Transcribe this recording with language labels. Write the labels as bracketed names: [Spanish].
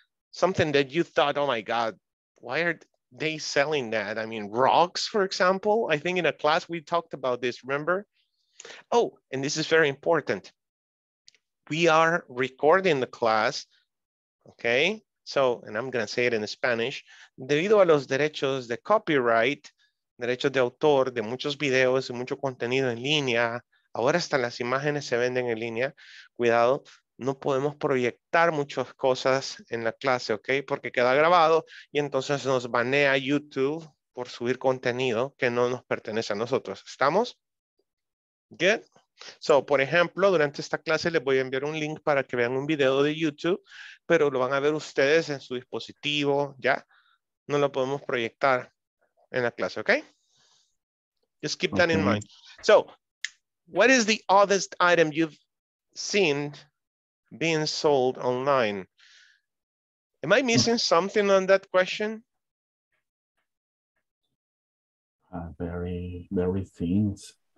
[English] Something that you thought, oh my God, why are they selling that? I mean, rocks, for example. I think in a class we talked about this, remember? Oh, and this is very important. We are recording the class, okay? So, and I'm gonna say it in Spanish. [Spanish] Debido a los derechos de copyright, derechos de autor, de muchos videos y mucho contenido en línea, ahora hasta las imágenes se venden en línea. Cuidado, no podemos proyectar muchas cosas en la clase, ¿ok? Porque queda grabado y entonces nos banea YouTube por subir contenido que no nos pertenece a nosotros. ¿Estamos? Good. So, por ejemplo, durante esta clase les voy a enviar un link para que vean un video de YouTube, pero lo van a ver ustedes en su dispositivo, ¿ya? No lo podemos proyectar en la clase, ¿ok? [English] Just keep that in mind. So, what is the oddest item you've seen being sold online? Am I missing something on that question? Very, very things.